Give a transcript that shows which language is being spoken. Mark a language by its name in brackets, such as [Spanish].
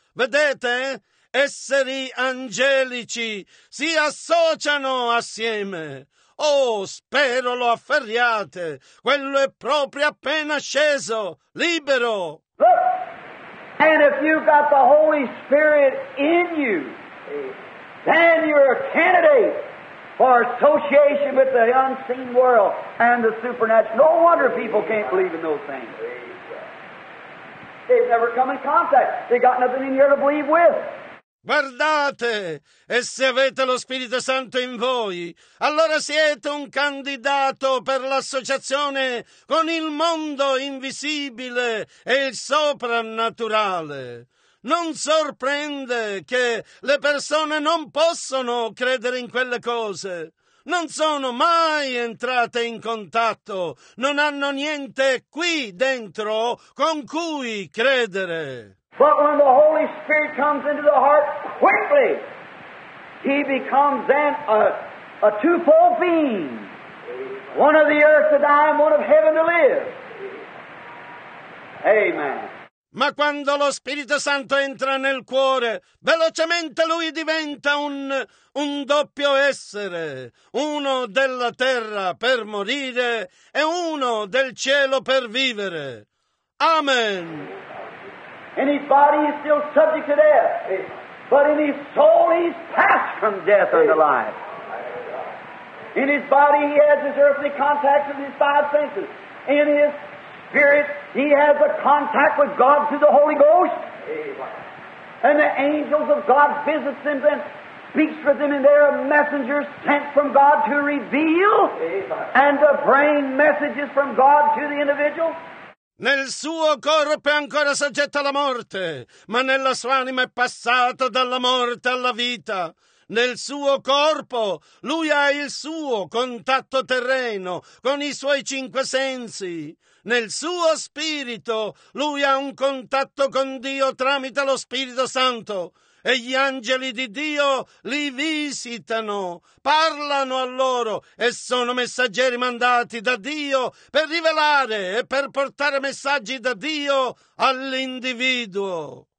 [Italian] Vedete? Esseri angelici si associano assieme. Oh, spero lo afferriate. Quello è proprio appena sceso, libero. [English] And if you've got the Holy Spirit in you, then you're a candidate for association with the unseen world and the supernatural. No wonder people can't believe in those things. They've never come in contact. They've got nothing in here to believe with. [Italian] Guardate, e se avete lo Spirito Santo in voi, allora siete un candidato per l'associazione con il mondo invisibile e il soprannaturale. Non sorprende che le persone non possono credere in quelle cose. Non sono mai entrate in contatto, non hanno niente qui dentro con cui credere. [English] But when the Holy Spirit comes into the heart quickly, he becomes then a twofold being, one of the earth to die and one of heaven to live. Amen. [Italian] Ma quando lo Spirito Santo entra nel cuore, velocemente lui diventa un doppio essere, uno della terra per morire e uno del cielo per vivere. Amen. [English] Any body is still subject to death, but in his soul he's passed from death unto life. In his body he has his earthly contact with his five senses. In his spirit he has a contact with God through the Holy Ghost. And the angels of God visit them and speaks with them, and they are messengers sent from God to reveal and to bring messages from God to the individual. [Italian] Nel suo corpo è ancora soggetto alla morte, ma nella sua anima è passato dalla morte alla vita. Nel suo corpo lui ha il suo contatto terreno con i suoi cinque sensi. Nel suo spirito lui ha un contatto con Dio tramite lo Spirito Santo e gli angeli di Dio li visitano, parlano a loro e sono messaggeri mandati da Dio per rivelare e per portare messaggi da Dio all'individuo.